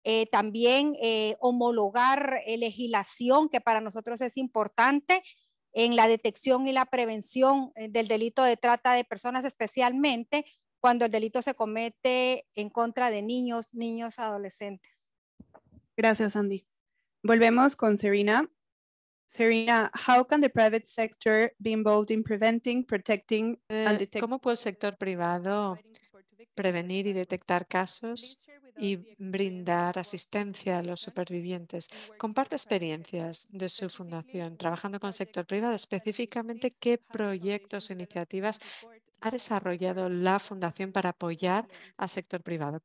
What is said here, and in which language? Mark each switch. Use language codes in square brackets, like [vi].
[es] también homologar legislación, que para nosotros es importante en la detección y la prevención del delito de trata de personas, especialmente cuando el delito se comete en contra de niños, adolescentes. Gracias, Andy. Volvemos con Serena. [en] Serena, how can the private sector be involved in preventing, protecting, and detecting? [es] ¿Cómo puede el sector privado prevenir y detectar casos y brindar asistencia a los supervivientes? Comparte experiencias de su fundación trabajando con el sector privado, específicamente qué proyectos e iniciativas ha desarrollado la fundación para apoyar al sector privado.